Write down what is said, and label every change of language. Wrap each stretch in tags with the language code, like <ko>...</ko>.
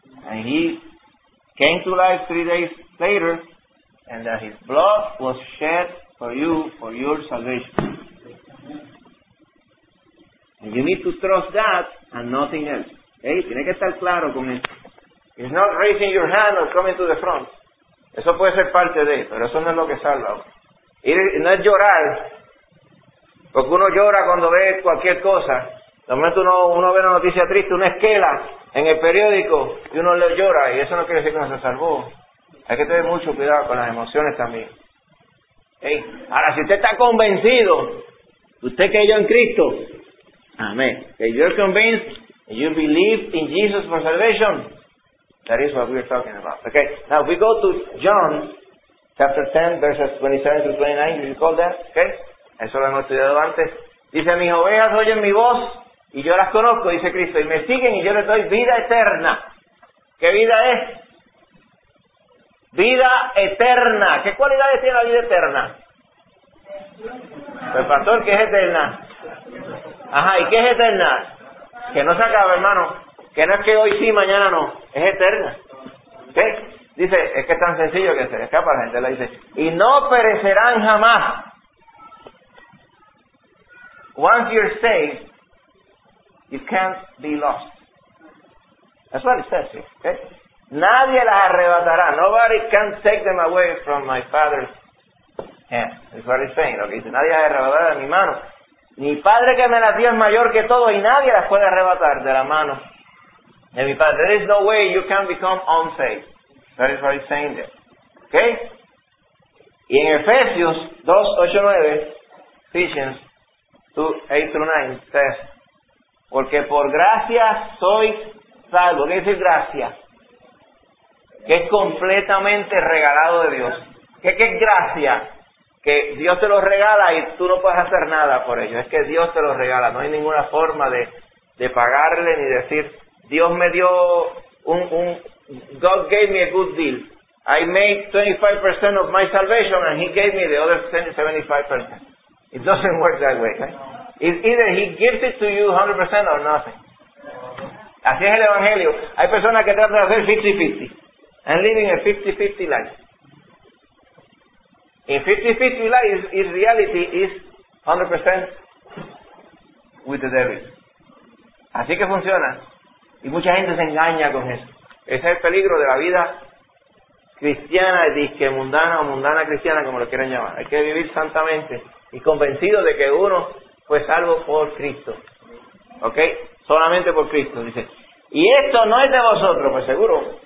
<en>And He came to life 3 days later, and that His blood was shed for you, for your salvation. And you need to trust that and nothing else. Okay?</en> <es>Tiene que estar claro con eso.</es> <en>It's not raising your hand or coming to the front.</en> <es>Eso puede ser parte de, pero eso no es lo que salva. No es llorar, porque uno llora cuando ve cualquier cosa. De momento uno ve una noticia triste, una esquela en el periódico, y uno le llora, y eso no quiere decir que no se salvó. Hay que tener mucho cuidado con las emociones también. Hey, ahora, si usted está convencido, usted creyó en Cristo, amén, que</es> <en>you're convinced, and you believe in Jesus for salvation, that is what we're talking about. Okay, now we go to John, chapter 10, verses 27-29, you recall that, okay?</en> <es>Eso lo hemos estudiado antes. Dice, mis ovejas oyen mi voz, y yo las conozco, dice Cristo, y me siguen y yo les doy vida eterna. ¿Qué vida es? Vida eterna. ¿Qué cualidades tiene la vida eterna? Pues pastor, ¿qué es eterna? Ajá, ¿y qué es eterna? Que no se acaba, hermano. Que no es que hoy sí, mañana no. Es eterna. ¿Qué? Dice, es que es tan sencillo que se escapa la gente. La dice, y no perecerán jamás.</es> <en>Once you're saved, you can't be lost. That's what it says here. Okay?</en> <es>Nadie las arrebatará.</es> <en>Nobody can take them away from my Father's hand. That's what it's saying. Okay?</en> <es>Nadie las arrebatará de mi mano. Mi Padre que me las dio es mayor que todo y nadie las puede arrebatar de la mano de mi Padre.</es> <en>There is no way you can become unsaved. That is what it's saying there. Okay?</en> <es>Y en Efesios 2:8-9, Ephesians 2:8-9, says, porque por gracia sois salvos. ¿Qué dice gracia? Que es completamente regalado de Dios. ¿Qué es gracia? Que Dios te lo regala y tú no puedes hacer nada por ello. Es que Dios te lo regala. No hay ninguna forma de pagarle ni decir, Dios me dio un</es> <en>God gave me a good deal. I made 25% of my salvation and He gave me the other 75%. It doesn't work that way, right? It's either He gives it to you 100% or nothing.</en> <es>Así es el Evangelio. Hay personas que tratan de hacer 50-50.</es> <en>And living a 50-50 life. In 50-50 life, his reality is 100% with the devil.</en> <es>Así que funciona. Y mucha gente se engaña con eso. Ese es el peligro de la vida cristiana, disque mundana o mundana cristiana, como lo quieran llamar. Hay que vivir santamente y convencido de que uno fue salvo por Cristo. ¿Ok? Solamente por Cristo. Dice, y esto no es de vosotros, pues seguro.</es>